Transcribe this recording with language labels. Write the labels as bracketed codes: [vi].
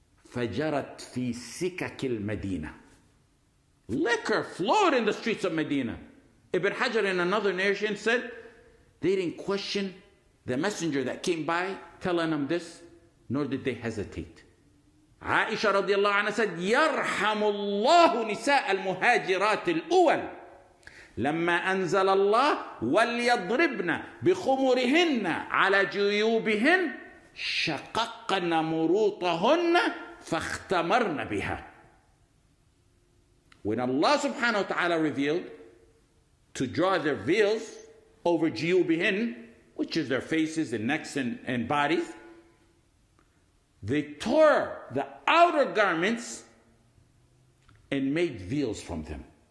[ar] فجرت في سكك المدينة. [en] Liquor flowed in the streets of Medina. Ibn Hajar in another narration said, they didn't question the messenger that came by telling them this, nor did they hesitate. [ar] عائشة رضي الله عنها [en] said, [ar] يرحم الله نساء المهاجرات الأول لما أنزل الله وليضربن بخمرهن على جيوبهن شققن مروطهن فاختمرن بها. [en] When Allah [ar] subhanahu wa ta'ala [en] revealed to draw their veils over jiyubihin, which is their faces and necks and bodies, they tore the outer garments and made veils from them.